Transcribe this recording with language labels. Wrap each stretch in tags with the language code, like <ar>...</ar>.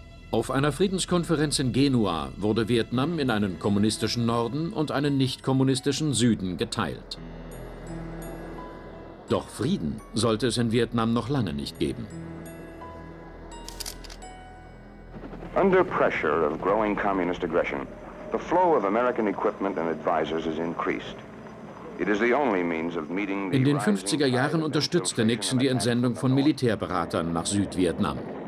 <de>Auf einer Friedenskonferenz in Genua wurde Vietnam in einen kommunistischen Norden und einen nicht-kommunistischen Süden geteilt. Doch Frieden sollte es in Vietnam noch lange nicht geben.</de> <en>Under pressure of growing communist aggression, the flow of American equipment and advisors is increased.</en> <de>In den 50er Jahren unterstützte Nixon die Entsendung von Militärberatern nach Südvietnam.</de>